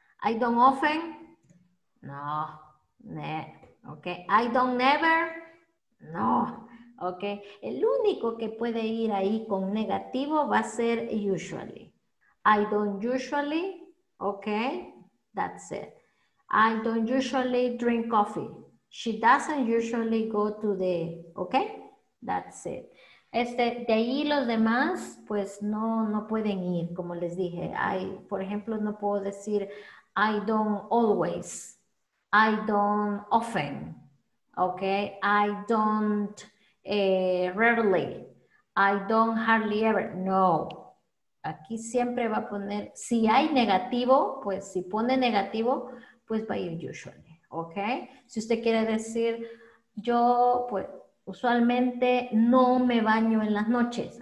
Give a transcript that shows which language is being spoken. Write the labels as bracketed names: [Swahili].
[English] I don't often, no, okay. I don't never, no, okay. [Spanish] El único que puede ir ahí con negativo va a ser usually. [English] I don't usually, okay, that's it. I don't usually drink coffee. She doesn't usually go to the, okay? That's it. [Spanish] Este, de ahí los demás, pues no, no pueden ir, como les dije. [English] I, [Spanish] por ejemplo, no puedo decir, [English] I don't always, I don't often, okay? I don't rarely, I don't hardly ever, no. [Spanish] Aquí siempre va a poner, si hay negativo, pues si pone negativo, pues va a ir usually, ¿ok? Si usted quiere decir, yo pues usualmente no me baño en las noches.